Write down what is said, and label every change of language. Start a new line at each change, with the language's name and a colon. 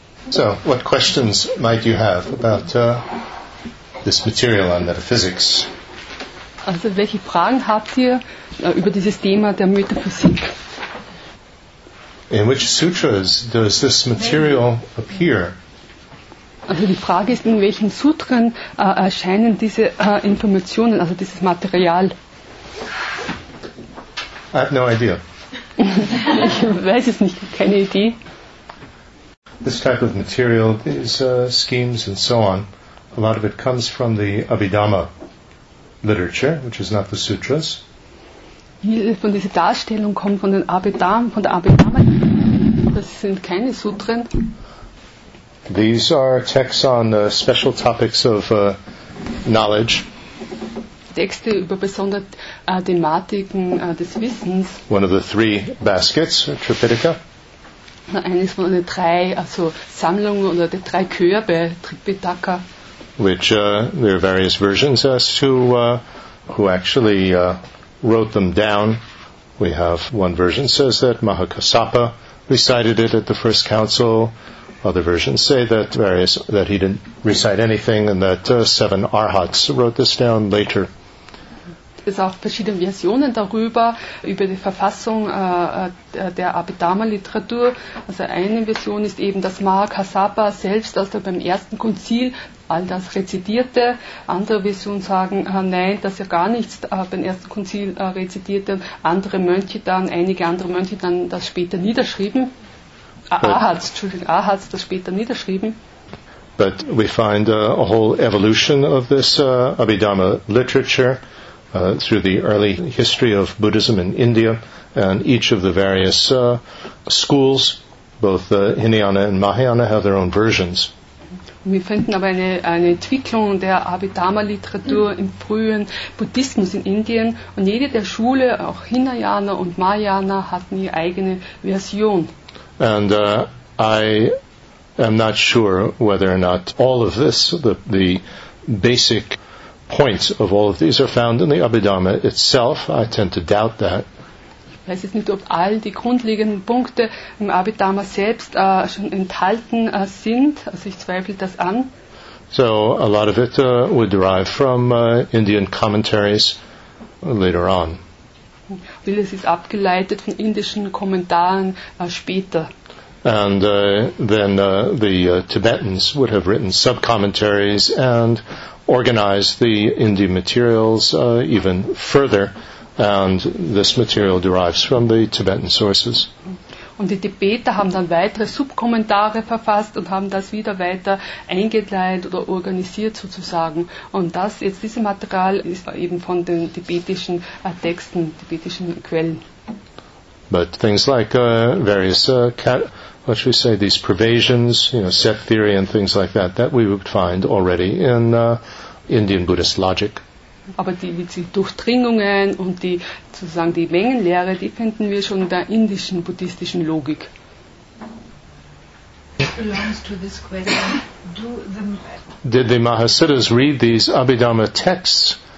English: So, what questions might you have about this material on metaphysics?
German: Also, welche Fragen habt ihr über dieses Thema der Metaphysik?
English: In which sutras does this material appear?
German: Also die Frage ist, in welchen Sutren erscheinen diese Informationen, also dieses Material?
English: I have no idea.
German: Ich weiß es nicht, keine Idee.
English: This type of material, these schemes and so on, a lot of it comes from the Abhidhamma literature, which is not the sutras.
German: Von dieser Darstellung kommt von den Abhidhamma, von der Abhidhamma. Das sind keine Sutren.
English: These are texts on special topics of knowledge.
German: Texte über besondere Thematiken des Wissens.
English: One of the three baskets, Tripitaka.
German: Eines von den drei, also Sammlungen oder der drei Körbe, Tripitaka.
English: Which there are various versions as to who actually wrote them down. We have one version says that Mahakasapa recited it at the first council. Other versions say that that he didn't recite anything, and that seven arhats wrote this down later.
German: Es gibt auch verschiedene Versionen darüber, über die Verfassung der Abhidhamma-Literatur. Also eine Version ist eben, dass Mahakasapa selbst, als er beim ersten Konzil all das rezitierte. Andere Versionen sagen, nein, dass er gar nichts beim ersten Konzil rezitierte. Einige andere Mönche dann das später niederschrieben. Ahats das später niederschrieben.
English: But we find a whole evolution of this Abhidhamma literature through the early history of Buddhism in India and each of the various schools, both Hinayana and Mahayana, have their own versions.
German: Wir finden aber eine Entwicklung der Abhidhamma-Literatur im frühen Buddhismus in Indien und jede der Schule, auch Hinayana und Mahayana, hatten ihre eigene Version.
English: And I am not sure whether or not all of this, the basic points of all of these are found in the Abhidhamma itself. I tend to doubt that.
German: Ich weiß jetzt nicht, ob all die grundlegenden Punkte im Abhidhamma selbst schon enthalten sind. Also ich zweifle das an.
English: So a lot of it would derive from Indian commentaries later on.
German: Vieles ist abgeleitet von indischen Kommentaren später.
English: And then the Tibetans would have written sub-commentaries and organized the Indian materials even further. And this material derives from the Tibetan sources.
German: Und die Tibeter haben dann weitere Subkommentare verfasst und haben das wieder weiter eingeteilt oder organisiert sozusagen. Und das jetzt dieses Material ist eben von den tibetischen Texten, tibetischen Quellen.
English: But things like various, what should we say, these pervasions, you know, set theory and things like that, that we would find already in Indian Buddhist logic.
German: Aber die Durchdringungen und die sozusagen die Mengenlehre, die finden wir schon in der indischen buddhistischen Logik.
English: Did the Mahasiddhas read these Abhidhamma texts?